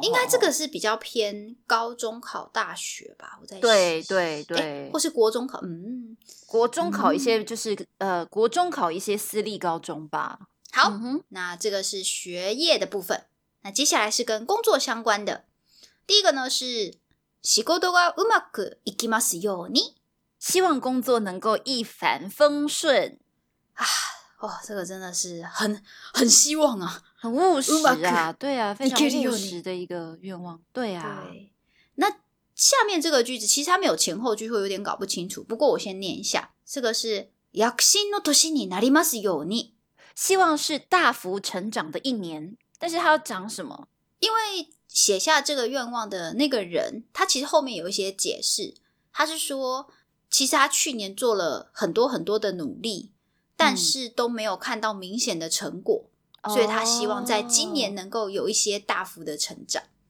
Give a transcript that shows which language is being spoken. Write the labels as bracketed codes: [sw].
[zh] 应该这个是比较偏高中考大学吧，我在想，对对对、欸、或是国中考，嗯，国中考一些就是、嗯、国中考一些私立高中吧。好、嗯、那这个是学业的部分，那接下来是跟工作相关的。 [ja] 第一个呢是仕事がうまくいきますように， [zh] 希望工作能够一帆风顺啊。哇、哦、这个真的是很希望啊，很务实啊，对啊，非常务实的一个愿望，对啊。对，那下面这个句子其实它没有前后句，会有点搞不清楚，不过我先念一下。 [ja] 这个是躍進の年になりますように， [zh] 希望是大幅成长的一年。但是他要讲什么？因为写下这个愿望的那个人，他其实后面有一些解释，他是说其实他去年做了很多很多的努力，但是都没有看到明显的成果、嗯、所以他希望在今年能够有一些大幅的成长。